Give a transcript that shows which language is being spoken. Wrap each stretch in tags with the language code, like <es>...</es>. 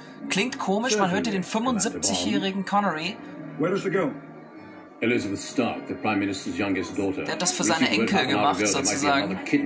<de>Klingt komisch, man hörte den 75-jährigen Connery.</de> <en>Where does it go? Elizabeth Stark, the Prime Minister's youngest daughter.</en> <de>Der hat das für seine Enkel gemacht, sozusagen.</de>